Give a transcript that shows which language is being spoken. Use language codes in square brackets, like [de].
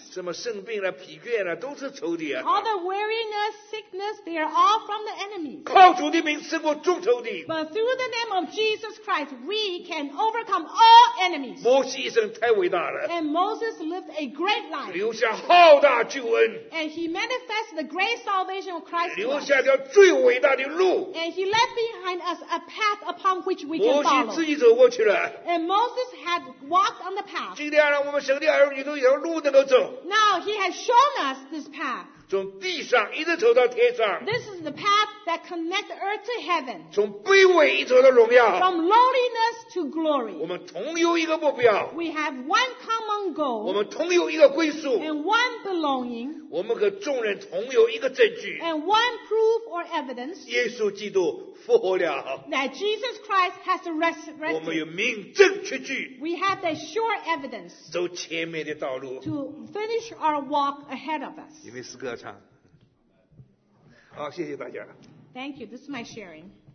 [zh] 什么生病了、疲倦了，都是仇敌啊。 [en] All the weariness, sickness, they are all from the enemies. [zh] 靠主的名胜过众仇敌。 [en] But through the name of Jesus Christ. We can overcome all enemies. [zh] 摩西一生太伟大了。 [en] And Moses lived a great life. [zh] 留下浩大救恩。 [en] And he manifested the great salvation of Christ. [zh] 留下条最伟大的路。 [en] And he left behind us a path upon which we can follow. [zh] 摩西自己走过去了。 [en] And Moses had walked on the path. [zh] 今天让我们神的儿女都有路能够走。 [en] Now he has shown us this path. [zh] 从地上一直走到天上。 [en] This is the path that connects earth to heaven. [zh] 从卑微一走到荣耀。 [en] From lowliness to glory. [zh] 我们同有一个目标。 [en] We have one common goal. [zh] 我们同有一个归宿。 [en] And one belonging. [zh] 我们和众人同有一个证据。 [en] And one proof or evidence. [zh] 耶稣基督复活了。 [en] That Jesus Christ has resurrected. [zh] 我们有明证确据。 [en] We have the sure evidence. [zh] 走前面的道路。 [en] To finish our walk ahead of us. [zh] 因为是个好，谢谢大家。 [en] Thank you. This is my sharing.